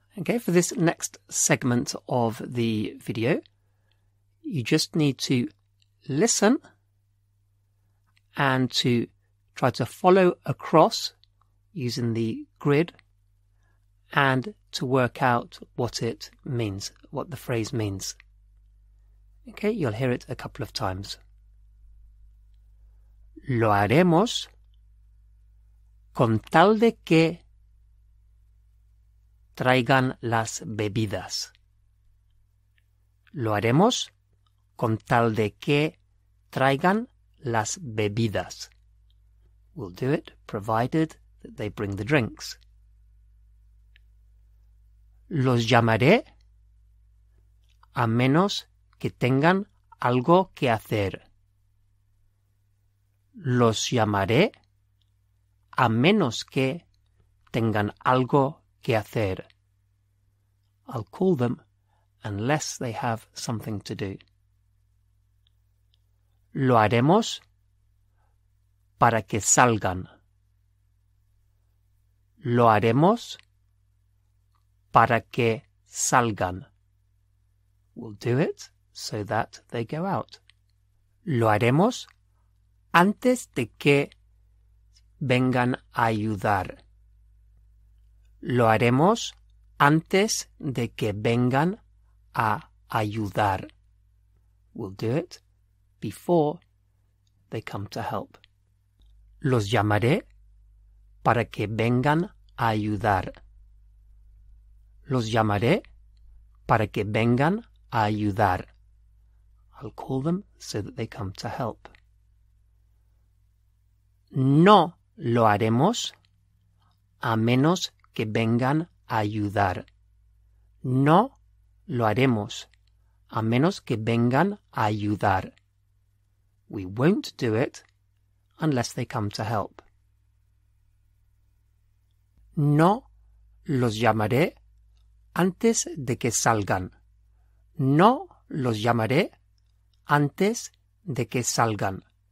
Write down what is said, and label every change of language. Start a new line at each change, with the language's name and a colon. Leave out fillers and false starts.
English: Okay, for this next segment of the video, you just need to listen and to try to follow across using the grid and to work out what it means, what the phrase means. Okay, you'll hear it a couple of times.
Spanish: Lo haremos con tal de que traigan las bebidas. Lo haremos con tal de que traigan las bebidas.
English: We'll do it, provided that they bring the drinks.
Spanish: Los llamaré a menos que tengan algo que hacer. Los llamaré a menos que tengan algo que hacer.
English: I'll call them unless they have something to do.
Spanish: Lo haremos para que salgan. Lo haremos para que salgan.
English: We'll do it so that they go out.
Spanish: Lo haremos antes de que vengan a ayudar. Lo haremos antes de que vengan a ayudar.
English: We'll do it before they come to help.
Spanish: Los llamaré para que vengan a ayudar. Los llamaré para que vengan a ayudar.
English: I'll call them so that they come to help.
Spanish: No lo haremos a menos que vengan a ayudar. No lo haremos a menos que vengan a ayudar.
English: We won't do it unless they come to help.
Spanish: No los llamaré antes de que salgan. No los llamaré antes de que salgan.